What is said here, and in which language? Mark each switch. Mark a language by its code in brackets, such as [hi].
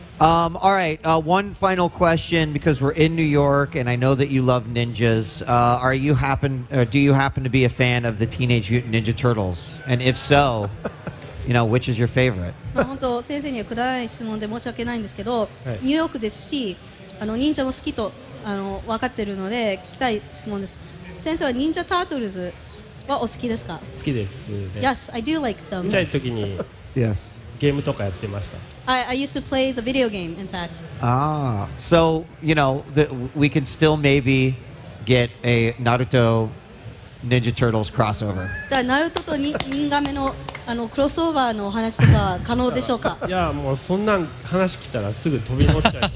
[en] All right, one final question because we're in New York and I know that you love ninjas. Do you happen to be a fan of the Teenage Mutant Ninja Turtles? And if so, you know, which is your favorite? [ja] 本当先生にはくだらない質問で申し訳ないんですけど、ニューヨークですし、あの忍者も好きと、あの、分かってるので聞きたい質問です。先生は忍者タートルズはお好きですか？好きです。 [en] Yes, I do like them. [ja] 小さい時に。 [en] Yes. [ja] ゲームとかやってました。 [en] I used to play the video game, in fact. Ah, so, you know, we can still maybe get a Naruto Ninja Turtles crossover. [ja] じゃあ、ナルトとニンガメの、あの、クロスオーバーの話とか可能でしょうか？いや、もうそんな話来たらすぐ飛び乗っちゃう。